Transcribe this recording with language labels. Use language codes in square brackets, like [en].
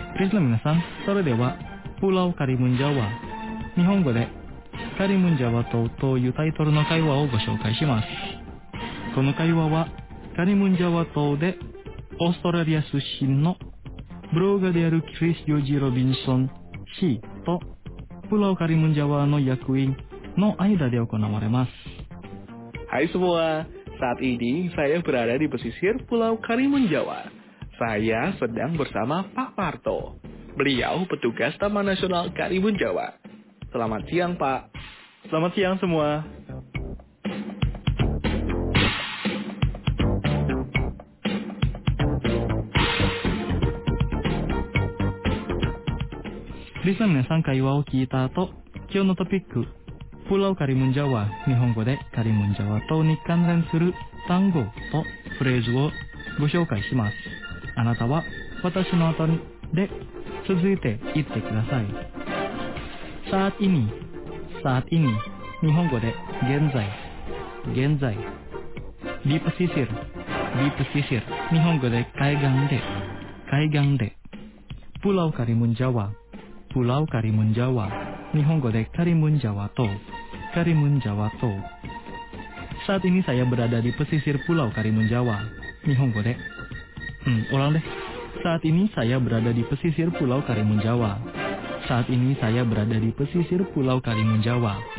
[ja] 皆さん、それではプラウカリムンジャワ、日本語でカリムンジャワ島というタイトルの会話をご紹介します。この会話はカリムンジャワ島でオーストラリア出身のブロガーであるクリス・ジョージ・ロビンソン氏とプラウカリムンジャワの役員の間で行われます。 [id] Hai semua, saat ini saya berada di pesisir Pulau Karimun Jawa. Saya sedang bersama Pak Parto. Beliau petugas Taman Nasional Karimun Jawa. Selamat siang, Pak. Selamat siang semua. [ja] リスナーの皆さん、会話を聞いた後、今日のトピック、プラウカリムンジャワ、日本語でカリムンジャワ島に関連する単語とフレーズをご紹介します。あなたは私の後で続いて言ってください。さあ、意味、さあ、意味、日本語で現在、現在。ディープシシル、ディープシシル、日本語で海岸で、海岸で。プラウカリムンジャワ、プラウカリムンジャワ、日本語でカリムンジャワ島、カリムンジャワ島。 [id] Saat ini saya berada di pesisir Pulau Karimun Jawa. [ja] Nihongo de. [id] Ulang deh. Saat ini saya berada di pesisir Pulau Karimun Jawa. Saat ini saya berada di pesisir Pulau Karimun Jawa.